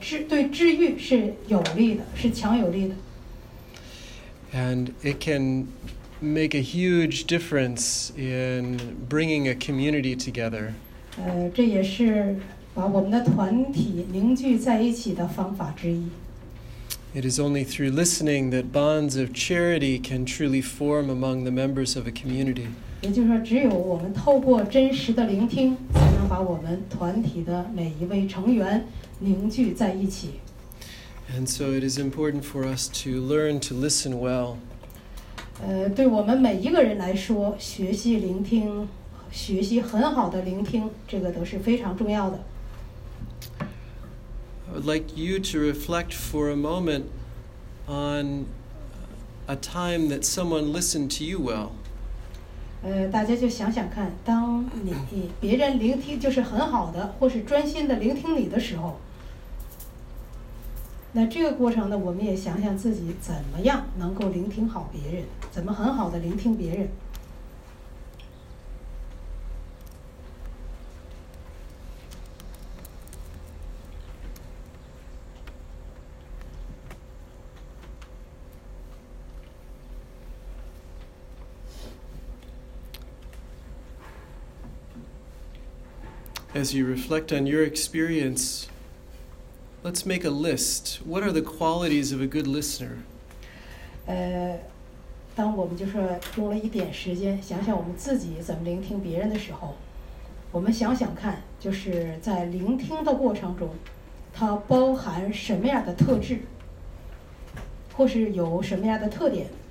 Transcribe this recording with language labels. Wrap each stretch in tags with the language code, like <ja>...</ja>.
<zh>我们说聆听是一个强有力的，或是一个是对我们的治愈是有力的，是强有力的。</zh> <en>And it can make a huge difference in bringing a community together.</en> <zh>这也是把我们的团体凝聚在一起的方法之一。</zh> <en>It is only through listening that bonds of charity can truly form among the members of a community.</en> <zh>也就是说只有我们透过真实的聆听才能把我们团体的每一位成员凝聚在一起。</zh> <en>And so it is important for us to learn to listen well.</en> <zh>对我们每一个人来说, 学习聆听, 学习很好的聆听, 这个都是非常重要的。</zh> <en>I would like you to reflect for a moment on a time that someone listened to you well.</en> <zh>大家就想想看, 当你, 别人聆听, 就是很好的, 或是专心的聆听你的时候, 那这个过程呢, 我们也想想自己怎么样能够聆听好别人。怎么很好地聆听别人。</zh> <en>As you reflect on your experience, let's make a list. What are the qualities of a good listener?</en> <zh>当我们就是用了一点时间想想我们自己怎么聆听别人的时候，我们想想看，就是在聆听的过程中，它包含什么样的特质，或是有什么样的特点。</zh>